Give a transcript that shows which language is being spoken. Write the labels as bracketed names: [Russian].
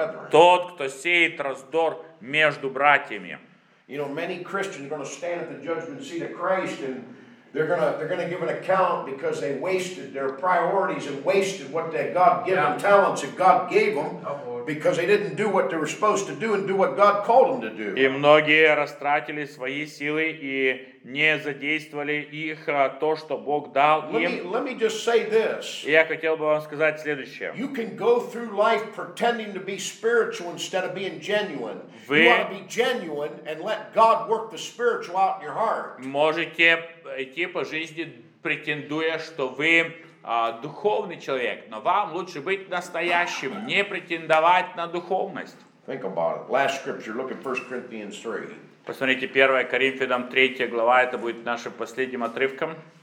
[Russian] Тот, кто сеет раздор между братьями. [English] You know, many Christians are going to stand at the judgment seat of Christ and they're going to give an account because they wasted their priorities and wasted what that God gave them, talents that God gave them, because they didn't do what they were supposed to do and do what God called them to do. [Russian] И многие растратили свои силы и не задействовали их то, что Бог дал им. [English] Let me just say this. [Russian] Я хотел бы вам сказать следующее. [English] You can go through life pretending to be spiritual instead of being genuine. You want to be genuine and let God work the spiritual out in your heart. [Russian] Можете идти по жизни, претендуя, что вы духовный человек, но вам лучше быть настоящим, не претендовать на духовность. [English] Think about it. Last scripture, look at 1 Corinthians 3. [Russian] Посмотрите, 1 Коринфянам 3 глава, это будет нашим последним отрывком.